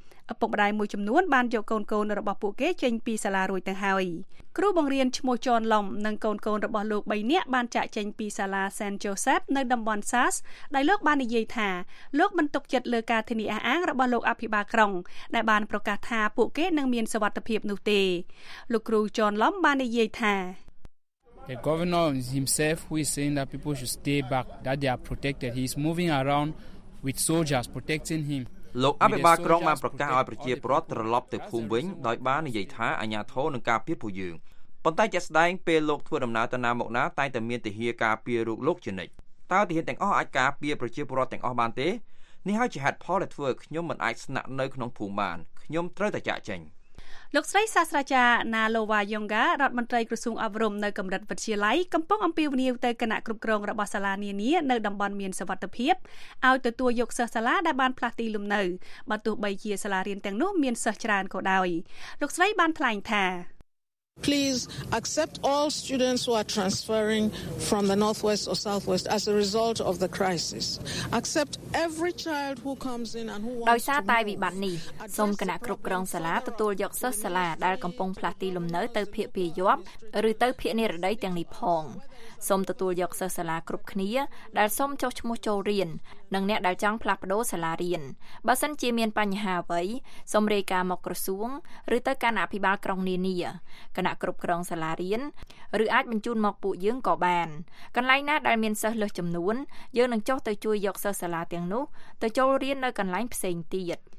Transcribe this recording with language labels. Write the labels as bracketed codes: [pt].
[km] ឪពុកម្ដាយមួយចំនួនបានយកកូនកូនរបស់ពួកគេចេញពីសាលារួចទៅហើយគ្រូបង្រៀនឈ្មោះជន់ឡុំនិងកូនកូនរបស់លោក3នាក់បានចាកចេញពីសាលា Saint Joseph នៅតំបន់ SAS ដែលលោកបាននិយាយថាលោកបានទុកចិត្តលើការធានាអះអាងរបស់លោកអភិបាលក្រុងដែលបានប្រកាសថាពួកគេនឹងមានសុវត្ថិភាពនោះទេលោកគ្រូជន់ឡុំបាននិយាយថា [en] The governor himself who is saying that people should stay back that they are protected he is moving around with soldiers protecting him [km] លោកអភិបាលក្រុងបានប្រកាសឲ្យប្រជាពលរដ្ឋត្រឡប់ទៅភូមិវិញដោយបាននិយាយថាអាជ្ញាធរនឹងការពារពួកយើងប៉ុន្តែជាក់ស្ដែងពេលលោកធ្វើដំណើរទៅណាមកណាតែងតែមានទាហានការពាររុកលោកជានិច្ចតើទាហានទាំងអស់អាចការពារប្រជាពលរដ្ឋទាំងអស់បានទេនេះហើយជាហេតុផលដែលធ្វើឲ្យខ្ញុំមិនអាចស្នាក់នៅក្នុងភូមិបានខ្ញុំត្រូវតែចាកចេញ លោកស្រីសាស្ត្រាចារ្យណាឡូវ៉ាយ៉ុងហ្ការដ្ឋមន្ត្រីក្រសួងអប់រំនៅកម្រិតវិទ្យាល័យកំពុងអំពាវនាវទៅគណៈគ្រប់គ្រងរបស់សាលានានានៅតំបន់មានសុវត្ថិភាពឲ្យទទួលយកសិស្សសាលាដែលបានផ្លាស់ទីលំនៅបើទោះបីជាសាលារៀនទាំងនោះមានសិស្សច្រើនក៏ដោយលោកស្រីបានថ្លែងថា [en] Please accept all students who are transferring from the northwest or southwest as a result of the crisis. Accept every child who comes in and who wants to. [km] ដោយសារតែវិបត្តិនេះសូមគណៈគ្រប់គ្រងសាលាទទួលយកសិស្សសាលាដែលកំពុងផ្លាស់ទីលំនៅទៅភាគពាយ័ព្យឬទៅភាគនិរតីទាំងនេះផង សូមទទួលយកសិស្សសាលាគ្រប់គ្នាដែលសូមចុះឈ្មោះចូលរៀននិងអ្នកដែលចង់ផ្លាស់ប្ដូរសាលារៀនបើសិនជាមានបញ្ហាអ្វីសូមរាយការណ៍មកក្រសួងឬទៅគណៈអភិបាលក្រុងនានាគណៈគ្រប់គ្រងសាលារៀនឬអាចបញ្ជូនមកពួកយើងក៏បានកន្លែងណាដែលមានសិស្សលើសចំនួនយើងនឹងចុះទៅជួយយកសិស្សសាលាទាំងនោះទៅចូលរៀននៅកន្លែងផ្សេងទៀត